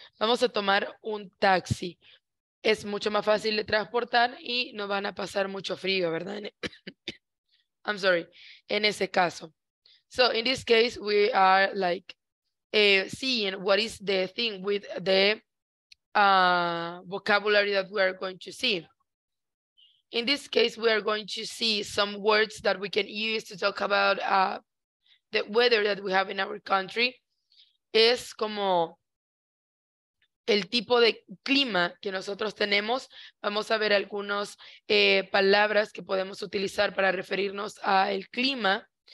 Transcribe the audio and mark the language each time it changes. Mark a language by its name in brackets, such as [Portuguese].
[Spanish] Vamos a tomar un taxi. Es mucho más fácil de transportar y no van a pasar mucho frío, ¿verdad? [English] I'm sorry. [Spanish] En ese caso. [English] So, in this case, we are like seeing what is the thing with the vocabulary that we are going to see. In this case, we are going to see some words that we can use to talk about the weather that we have in our country. [Spanish] Es como el tipo de clima que nosotros tenemos. Vamos a ver algunas palabras que podemos utilizar para referirnos a el clima.